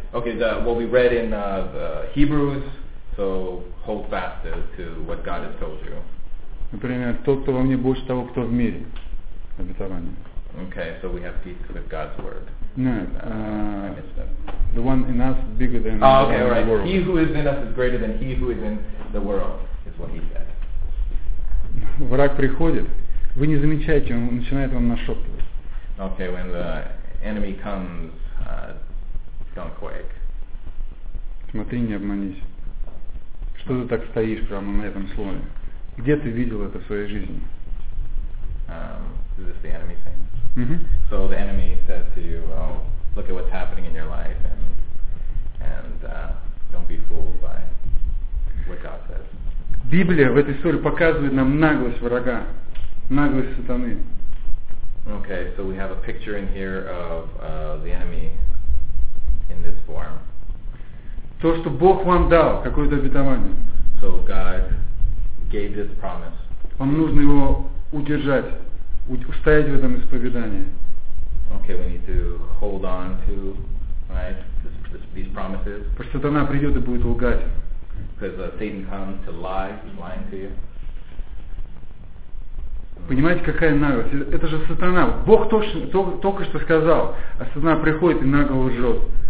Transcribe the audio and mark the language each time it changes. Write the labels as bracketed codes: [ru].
[en] Okay, what we read in the Hebrews. So hold fast to what God has told you. [ru] Например, тот, кто во мне, больше того, кто в мире. Обетование. [en] Okay, so we have peace with God's word. No, I missed that. The one in us is bigger than okay, the right. world. He who is in us is greater than he who is in the world, is what he said. [ru] Враг приходит, вы не замечаете, он начинает вам нашептывать. [en] Okay, when the enemy comes, don't quake. [ru] Смотри, не обманись. Что ты так стоишь прямо на этом слове? Где ты видел это в своей жизни? [en] Is this the enemy thing? Mm-hmm. So the enemy says to you, "Oh, look at what's happening in your life, and don't be fooled by what God says." [ru] Библия в этой истории показывает нам наглость врага, наглость сатаны. [en] Okay, so we have a picture in here of the enemy in this form. [ru] То, что Бог вам дал какое-то обетование. [en] So God gave this promise. [ru] Вам нужно его удержать. Устоять в этом исповедании. [en] Okay, we need to hold on to, right, these promises. [ru] Потому что сатана придет и будет лгать. [en] Because Satan comes to lie, he's lying to you. [ru] Понимаете, какая наглость? Это же сатана. Бог только что сказал, а сатана приходит и нагло лжет.